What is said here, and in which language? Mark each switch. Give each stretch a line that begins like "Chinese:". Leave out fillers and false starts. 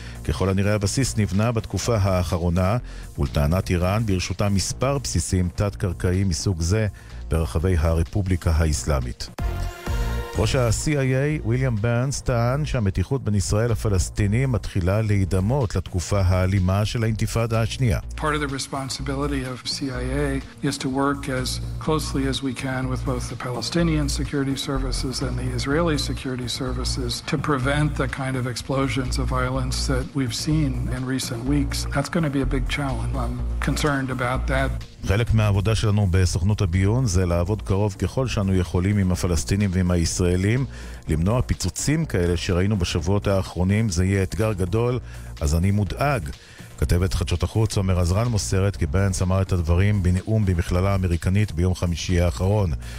Hebrew: ככל הנראה הבסיס נבנה בתקופה האחרונה, ולטענת איראן ברשותה מספר בסיסים תת-קרקעי מסוג זה ברחבי הרפובליקה האסלאמית. ראש ה-CIA, ויליאם ברנס, טען שהמתיחות בין ישראל לפלסטינים מתחילה להידמות לתקופה האלימה של האינתיפאדה השנייה.
English: Part of the responsibility of CIA is to work as closely as we can with both the Palestinian security services and the Israeli security services to prevent the kind of explosions of violence that we've seen in recent weeks. That's going to be a big challenge. I'm concerned about that.
Hebrew: חלק מהעבודה שלנו בסוכנות הביון זה לעבוד קרוב ככל שאנו יכולים עם הפלסטינים ועם הישראלים, למנוע פיצוצים כאלה שראינו בשבועות האחרונים, זה יהיה אתגר גדול, אז אני מודאג. כתבת חדשות החוץ אומר עזרן מוסרת כי ברנס אמר את הדברים בנאום במכללה האמריקנית ביום חמישי האחרון.